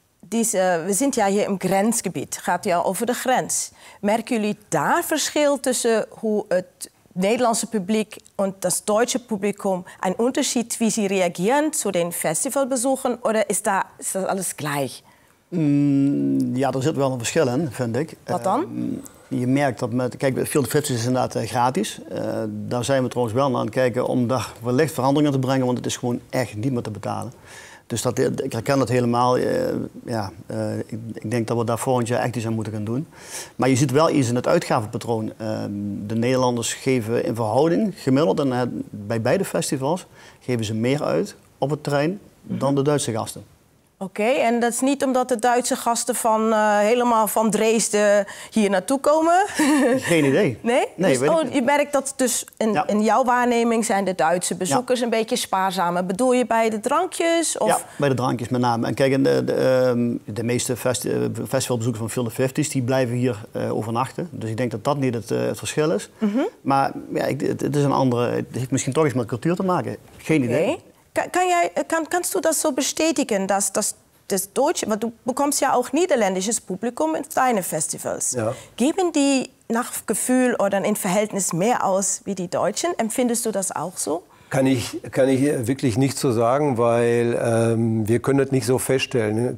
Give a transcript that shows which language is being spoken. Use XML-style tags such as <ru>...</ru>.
<de>Wir sind ja hier im Grenzgebiet,</de> <nl>gaat ja over de grens. Merken jullie daar verschil tussen hoe het Nederlandse publiek</nl> <de>und das deutsche Publikum, ein Unterschied, wie sie reagieren zu den Festivalbesuchen, oder ist das alles gleich?</de> <nl>Ja,</nl> <de>da sind</de> <nl>wel een verschil in, vind ik. Wat dan? Je merkt dat met, kijk, Field of 50 is inderdaad gratis. Daar zijn we trouwens wel naar aan het kijken om daar wellicht veranderingen te brengen, want het is gewoon echt niet meer te betalen. Dus dat, ik herken dat helemaal. Ik denk dat we daar volgend jaar echt iets aan moeten gaan doen. Maar je ziet wel iets in het uitgavenpatroon. De Nederlanders geven in verhouding, gemiddeld en bij beide festivals, geven ze meer uit op het terrein dan de Duitse gasten. Oké, en dat is niet omdat de Duitse gasten van helemaal van Dresden hier naartoe komen? Geen idee. Nee? Nee, dus, je merkt dat dus in jouw waarneming zijn de Duitse bezoekers een beetje spaarzamer. Bedoel je bij de drankjes? Of? Ja, bij de drankjes met name. En kijk, de meeste festivalbezoekers van Field of 50's, die blijven hier overnachten. Dus ik denk dat dat niet het verschil is. Mm-hmm. Maar ja, het is een andere, het heeft misschien toch iets met cultuur te maken. Geen idee.</nl> <de>Kannst du das so bestätigen, dass das Deutsche, weil du bekommst ja auch niederländisches Publikum in deine Festivals. Ja. Geben die nach Gefühl oder in Verhältnis mehr aus wie die Deutschen? Empfindest du das auch so? Kann ich wirklich nicht so sagen, weil wir können das nicht so feststellen.</de>